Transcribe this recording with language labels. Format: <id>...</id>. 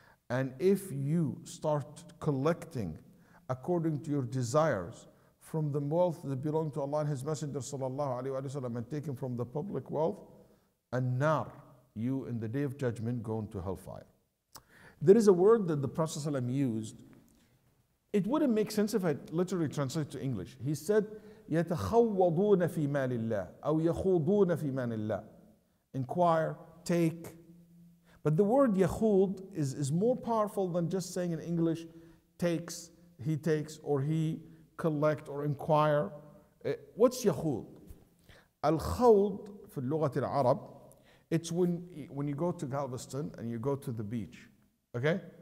<en>And if you start collecting according to your desires from the wealth that belongs to Allah and His Messenger sallallahu alaihi wasallam and taken from the public wealth, annar, you in the day of judgment going to hellfire. There is a word that the Prophet ﷺ used. It wouldn't make sense if I literally translate to English. He said,</en> <ar>يَتَخَوَّضُونَ فِي مَالِ اللَّهِ أَوْ يَخُوضُونَ فِي مَالِ اللَّهِ.</ar> <en>Inquire, take. But the word يَخُوض is more powerful than just saying in English, takes, he takes, or he collect, or inquire. What's يَخُوض?</en> <ar>الْخَوض فِي اللُّغَةِ الْعَرَبِ,</ar> <en>it's when you go to Galveston and you go to the beach, okay?</en>